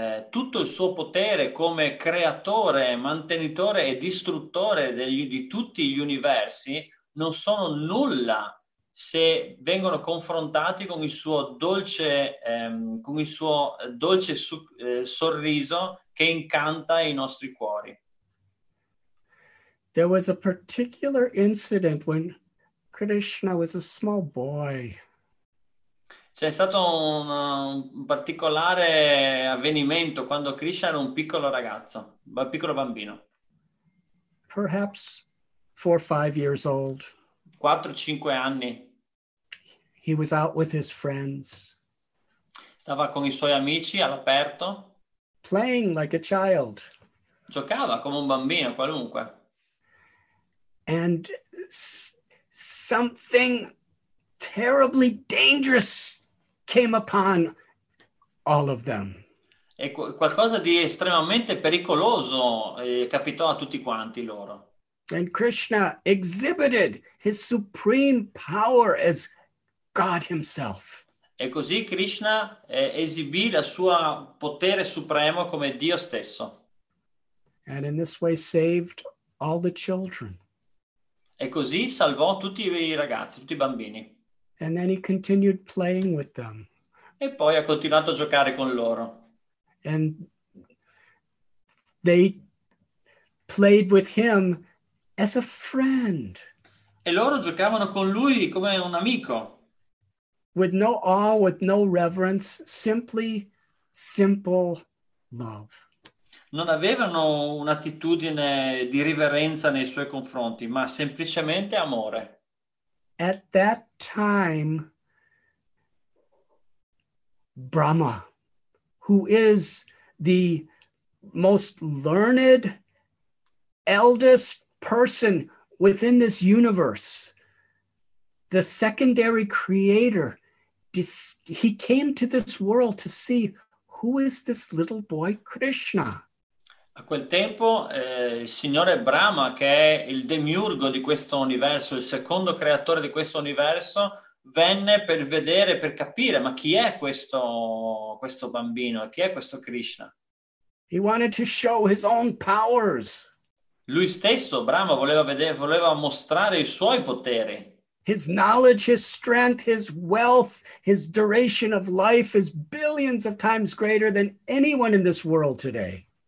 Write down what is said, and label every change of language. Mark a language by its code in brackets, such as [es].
[it] tutto il suo potere come creatore, mantenitore e distruttore di tutti gli universi non sono nulla se vengono confrontati con il suo dolce, con il suo dolce sorriso che incanta i nostri cuori. [en] There was a particular incident when Krishna was a small boy. [it] C'è stato un particolare avvenimento quando Krishna era un piccolo ragazzo, un piccolo bambino. [en] Perhaps 4 or 5 years old. [it] 4 o 5 anni. [en] He was out with his friends. [it] Stava con i suoi amici all'aperto. [en] Playing like a child. [it] Giocava come un bambino qualunque. [en] And something terribly dangerous came upon all of them. [it] E qualcosa di estremamente pericoloso capitò a tutti quanti loro. [en] And Krishna exhibited his supreme power as God himself. [it] E così Krishna esibì il suo potere supremo come Dio stesso. [en] And in this way saved all the children. [it] E così salvò tutti i ragazzi, tutti i bambini. [en] And then he continued playing with them. [it] E poi ha continuato a giocare con loro. [en] And they played with him as a friend. [it] E loro giocavano con lui come un amico. [en] With no awe, with no reverence, simply simple love. [it] Non avevano un'attitudine di riverenza nei suoi confronti, ma semplicemente amore. [en] At that time, Brahma, who is the most learned, eldest person within this universe, the secondary creator, he came to this world to see who is this little boy Krishna. [it] A quel tempo, il signore Brahma, che è il demiurgo di questo universo, il secondo creatore di questo universo, venne per vedere, per capire, ma chi è questo bambino, chi è questo Krishna? [en] He wanted to show his own powers. [it] Lui stesso, Brahma, voleva mostrare i suoi poteri. [en] His knowledge, his strength, his wealth, his duration of life is billions of times greater than anyone in this world today.